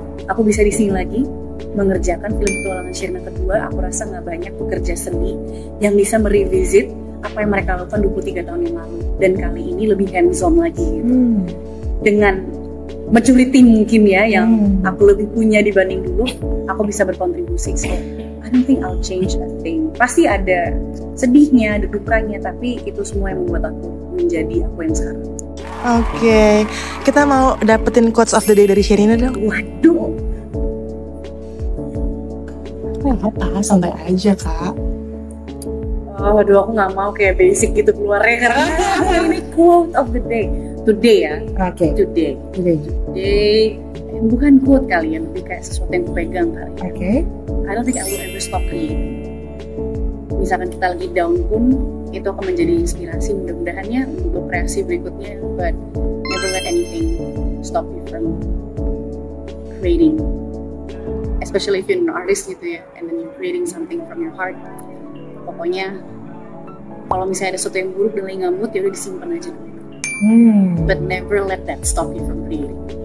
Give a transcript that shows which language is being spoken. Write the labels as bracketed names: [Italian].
[Indonesian] Aku bisa di sini lagi mengerjakan film Petualangan Shirina kedua. Aku rasa gak banyak pekerja seni yang bisa merevisit apa yang mereka lakukan 23 tahun yang lalu, dan kali ini lebih hands on lagi gitu. Dengan maturity mungkin ya yang aku lebih punya dibanding dulu, aku bisa berkontribusi. [English] So I don't think I'll change a thing. [Indonesian] Pasti ada sedihnya, ada dukanya, tapi itu semua yang membuat aku menjadi aku yang sekarang. Okay. Kita mau dapetin [English] quotes of the day [Indonesian] dari Shirina dong. Waduh, apa, santai aja kak. Waduh, aku gak mau kayak basic gitu keluarnya karena ini [English] quote of the day today [Indonesian] ya. Okay. [English] Today. Okay. [Indonesian] Bukan quote kali ya, lebih kayak sesuatu yang kupegang kali ya. Okay. [English] I don't think I will ever stop creating. [Indonesian] Misalkan kita lagi down pun, itu akan menjadi inspirasi mudah-mudahannya untuk reaksi berikutnya. [English] But never let anything stop you from creating, especially if you're an artist [Indonesian] gitu ya, [English] and then you're creating something from your heart. [Indonesian] Pokoknya kalau misalnya ada sesuatu yang buruk dan lagi ngamut, ya udah disimpan aja dulu. [English] But never let that stop you from creating.